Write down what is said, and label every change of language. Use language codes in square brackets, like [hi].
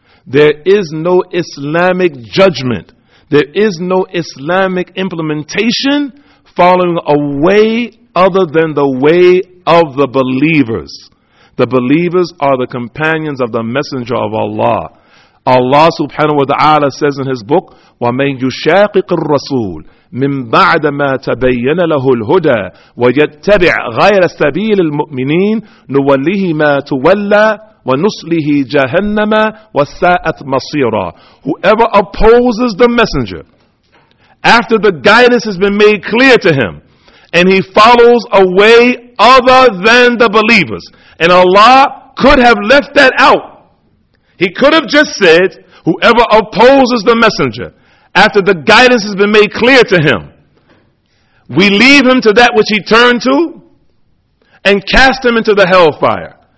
[en] There is no Islamic judgment. There is no Islamic implementation following a way other than the way of the believers. The believers are the companions of the Messenger of Allah. Allah subhanahu wa ta'ala says in his book, [ar] وَمَنْ يُشَاقِقِ الرَّسُولِ مِنْ بَعْدَ مَا تَبَيَّنَ لَهُ الْهُدَى وَيَتَّبِعْ غَيْرَ سَبِيلِ الْمُؤْمِنِينَ نُوَلِّهِ مَا تُوَلَّى وَنُصْلِهِ جَهَنَّمَ وَسَاءَتْ مَصِيرًا. [en] Whoever opposes the messenger after the guidance has been made clear to him and he follows a way other than the believers, and Allah could have left that out. He could have just said, whoever opposes the messenger after the guidance has been made clear to him, we leave him to that which he turned to and cast him into the hellfire.